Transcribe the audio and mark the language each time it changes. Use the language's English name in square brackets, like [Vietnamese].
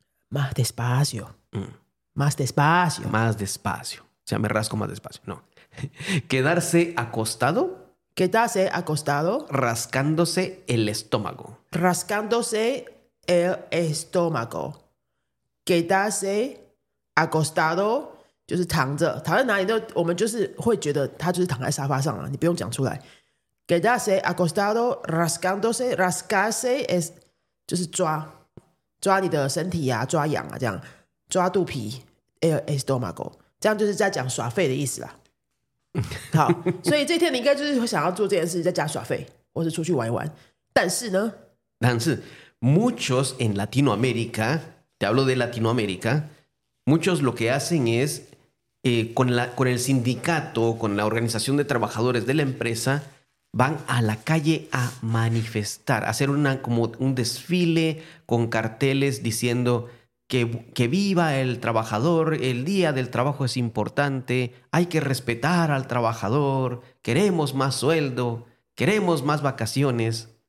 [Spanish] Más despacio. Más despacio. Más despacio. O sea, me rasco más despacio. No. Quedarse acostado. Quedarse acostado. Rascándose el estómago. Rascándose el estómago. Quedarse acostado, [Chinese] 就是躺着，躺在哪里都，我们就是会觉得他就是躺在沙发上啊，你不用讲出来。 [Spanish] Quedarse acostado, rascándose, rascarse es [Chinese] 就是抓你的身体啊，抓痒啊，这样抓肚皮 estómago， 这样就是在讲耍废的意思啦。好，所以这天你应该就是想要做这件事，在家耍废或是出去玩一玩。但是呢，但是 [Spanish] muchos en Latinoamérica。 Te hablo de Latinoamérica. Muchos lo que hacen es, con el sindicato, con la organización de trabajadores de la empresa, van a la calle a manifestar, a hacer una, como un desfile con carteles diciendo que viva el trabajador, el día del trabajo es importante, hay que respetar al trabajador, queremos más sueldo, queremos más vacaciones.